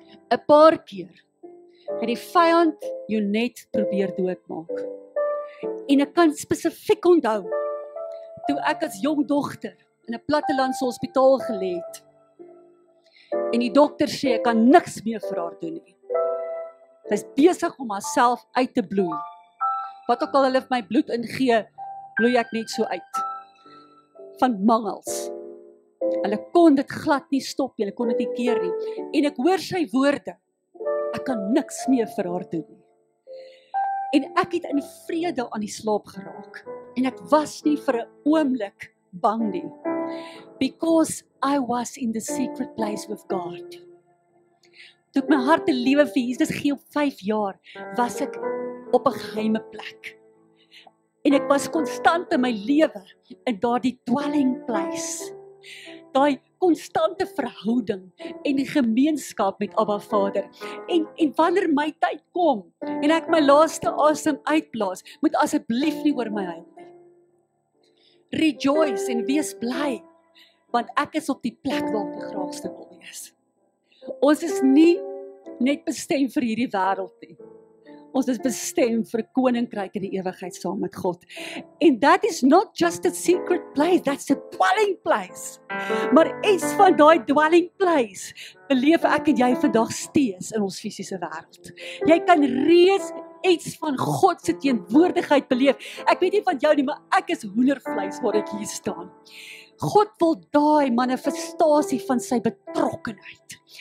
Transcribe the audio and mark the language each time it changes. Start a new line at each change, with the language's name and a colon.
Afrikaans: 'N paar keer en die vijand jou net probeer doodmaak. En ek kan spesifiek onthou, toe ek as jong dogter in 'n plattelandse hospitaal gelê het, en die dokter sê, ek kan niks meer vir haar doen nie. Sy is besig om haarself uit te bloei. Wat ook al hulle my bloed ingee, bloei ek net so uit. Van mangels. Hulle kon dit glad nie stop, hulle kon dit nie keer nie. En ek hoor sy woorde, ek kan niks meer vir haar doen. En ek het in vrede aan die slaap geraak. En ek was nie vir 'n oomblik bang nie.
English: Because I was in the secret place with God.
Afrikaans: Toe ek my hart en lewe vir Jesus gee op 5 jaar, was ek op 'n geheime plek. En ek was konstant in my lewe in daardie dwelling place. Daai constante verhouding en gemeenskap met Abba Vader. En wanneer my tyd kom en ek my laaste asem uitblaas, moet asseblief nie oor my huil nie. Rejoice en wees bly, want ek is op die plek waar ek die graagste wil wees. Ons is nie net bestem vir hierdie wêreld nie. Ons is bestem vir koninkryk in die ewigheid saam met God.
English: And that is not just a secret place, that's a dwelling place.
Afrikaans: Maar iets van daai dwelling place beleef ek en jy vandag steeds in ons fisiese wêreld. Jy kan reeds iets van God se teenwoordigheid beleef. Ek weet nie van jou nie, maar ek is hoendervleis waar ek hier staan. God wil daai manifestasie van sy betrokkenheid.